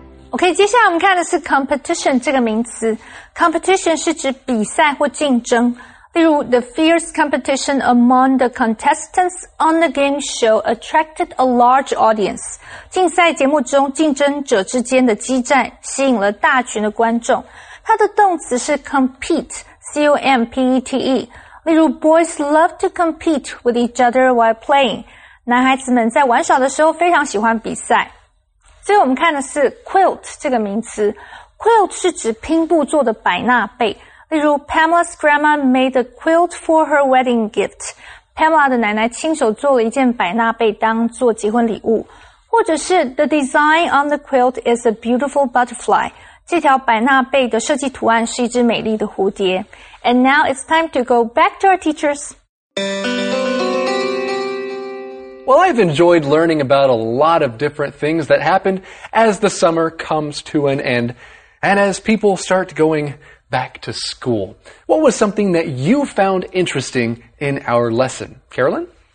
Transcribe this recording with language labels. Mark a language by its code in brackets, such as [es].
[zh] OK, 接下来我们看的是 competition 这个名词。Competition 是指比赛或竞争。例如 [en] ,the fierce competition among the contestants on the game show attracted a large audience. [zh] 竞赛节目中竞争者之间的激战吸引了大群的观众。它的动词是 compete,C-O-M-P-E-T-E. 例如 [en] boys love to compete with each other while playing. [zh] 男孩子们在玩耍的时候非常喜欢比赛。最后我们看的是 quilt 这个名词。 Quilt 是指拼布做的百纳被。例如 [en] Pamela's grandma made a quilt for her wedding gift. [zh] Pamela 的奶奶亲手做了一件百纳被当做结婚礼物。或者是 [en] the design on the quilt is a beautiful butterfly. [zh] 这条百纳贝的设计图案是一只美丽的蝴蝶。 [en] And now it's time to go back to our teachers. Well, I've enjoyed learning about a lot of different things that happened as the summer comes to an end and as people start going back to school. What was something that you found interesting in our lesson, Carolyn?